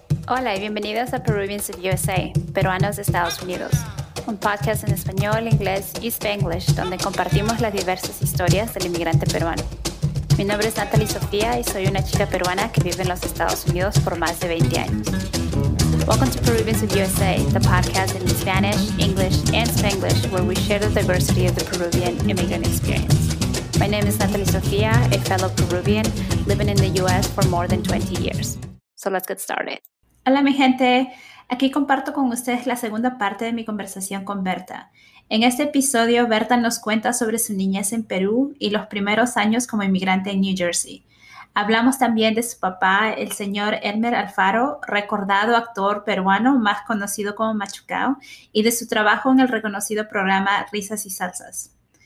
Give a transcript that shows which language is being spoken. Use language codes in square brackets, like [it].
[es] Hola y bienvenidos a Peruvians of USA, Peruanos de Estados Unidos, un podcast en español, inglés y Spanglish donde compartimos las diversas historias del inmigrante peruano. Mi nombre es Natalie Sofía y soy una chica peruana que vive en los Estados Unidos por más de 20 años. [en] Welcome to Peruvians of USA, the podcast in Spanish, English, and Spanglish where we share the diversity of the Peruvian immigrant experience. My name is Natalie Sofía, a fellow Peruvian living in the U.S. for more than 20 years. So let's get started. [es] Hola mi gente, aquí comparto con ustedes la segunda parte de mi conversación con Berta. En este episodio, Berta nos cuenta sobre su niñez en Perú y los primeros años como inmigrante en New Jersey. Hablamos también de su papá, el señor Elmer Alfaro, recordado actor peruano más conocido como Machucao, y de su trabajo en el reconocido programa Risas y Salsas.